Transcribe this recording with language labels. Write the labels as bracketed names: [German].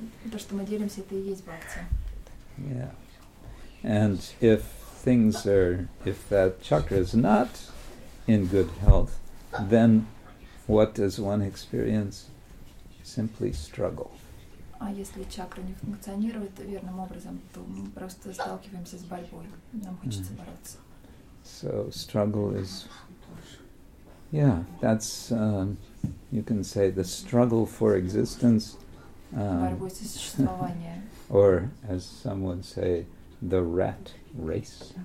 [Russian] То, что мы делимся, это и есть бхакти. [English] Yeah. And if that chakra is not in good health, then what does one experience? Simply struggle. [Russian] А если чакра не функционирует верным образом, то мы просто сталкиваемся с борьбой. Нам хочется бороться. [English] So struggle is, yeah, that's you can say the struggle for existence. [Russian] Борьба за существование. [English] Or as some would say, the rat race.